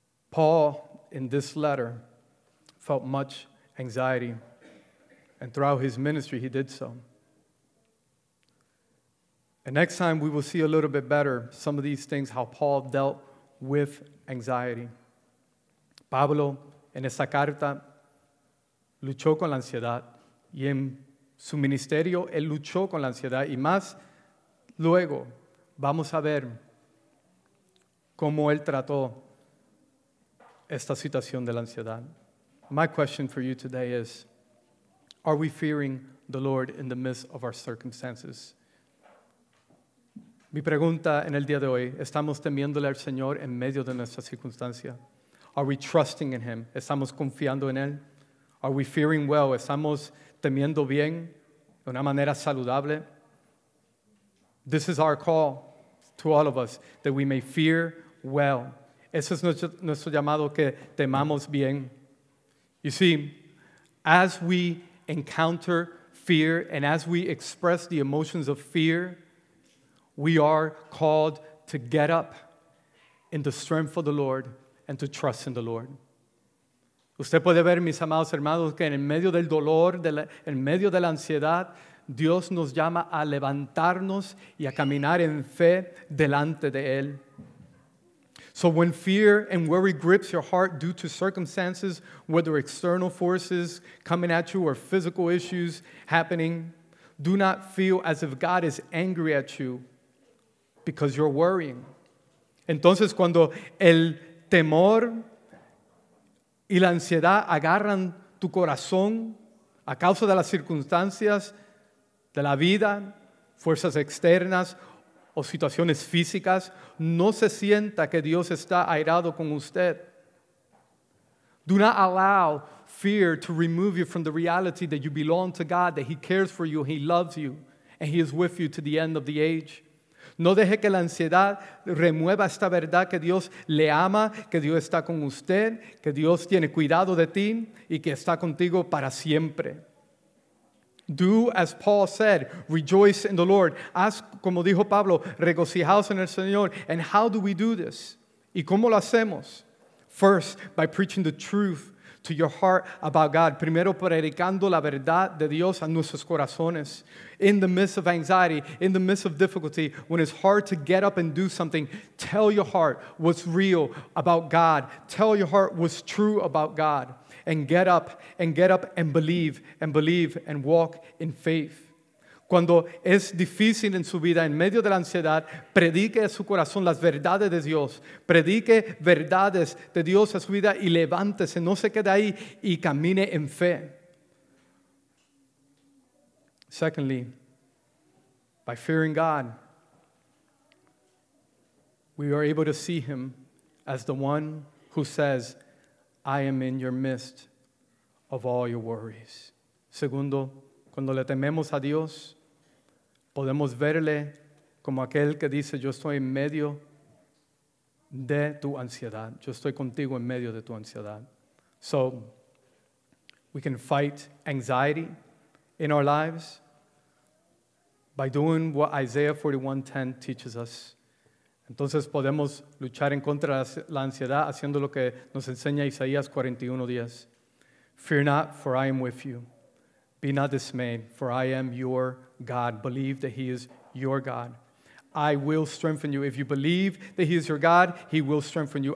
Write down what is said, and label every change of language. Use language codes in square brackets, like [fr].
[en] Paul, in this letter, felt much anxiety, and throughout his ministry, he did so. And next time, we will see a little bit better some of these things, how Paul dealt with anxiety. [es] Pablo, en esta carta, luchó con la ansiedad, y en su ministerio, él luchó con la ansiedad, y más luego, vamos a ver cómo él trató esta situación de la ansiedad. [en] My question for you today is, are we fearing the Lord in the midst of our circumstances? [es] Mi pregunta en el día de hoy, ¿estamos temiéndole al Señor en medio de nuestra circunstancia? [en] Are we trusting in Him? [es] ¿Estamos confiando en Él? [en] Are we fearing well? [es] ¿Estamos temiendo bien de una manera saludable? [en] This is our call to all of us, that we may fear well. [es] Ese es nuestro llamado, que temamos bien. [en] You see, as we encounter fear and as we express the emotions of fear, we are called to get up in the strength of the Lord and to trust in the Lord. [es] Usted puede ver, mis amados hermanos, que en medio del dolor, en medio de la ansiedad, Dios nos llama a levantarnos y a caminar en fe delante de Él. [en] So when fear and worry grips your heart due to circumstances, whether external forces coming at you or physical issues happening, do not feel as if God is angry at you because you're worrying. [es] Entonces, cuando el temor y la ansiedad agarran tu corazón a causa de las circunstancias de la vida, fuerzas externas, o situaciones físicas, no se sienta que Dios está airado con usted. [en] Do not allow fear to remove you from the reality that you belong to God, that He cares for you, He loves you, and He is with you to the end of the age. [es] No deje que la ansiedad remueva esta verdad que Dios le ama, que Dios está con usted, que Dios tiene cuidado de ti y que está contigo para siempre. [en] Do as Paul said, rejoice in the Lord. [es] Haz como dijo Pablo, regocijaos en el Señor. [en] And how do we do this? [es] ¿Y cómo lo hacemos? [en] First, by preaching the truth to your heart about God. [es] Primero, predicando la verdad de Dios a nuestros corazones. [en] In the midst of anxiety, in the midst of difficulty, when it's hard to get up and do something, tell your heart what's real about God. Tell your heart what's true about God. And get up and believe and walk in faith. [es] Cuando es difícil en su vida, en medio de la ansiedad, predique a su corazón las verdades de Dios. Predique verdades de Dios a su vida y levántese, no se quede ahí y camine en fe. [en] Secondly, by fearing God, we are able to see Him as the one who says, I am in your midst of all your worries. [es] Segundo, cuando le tememos a Dios, podemos verle como aquel que dice, yo estoy en medio de tu ansiedad. Yo estoy contigo en medio de tu ansiedad. [en] So, we can fight anxiety in our lives by doing what Isaiah 41:10 teaches us. [es] Entonces podemos luchar en contra de la ansiedad haciendo lo que nos enseña Isaías 41:10. [en] Fear not, for I am with you. Be not dismayed, for I am your God. Believe that He is your God. I will strengthen you. If you believe that He is your God, He will strengthen you.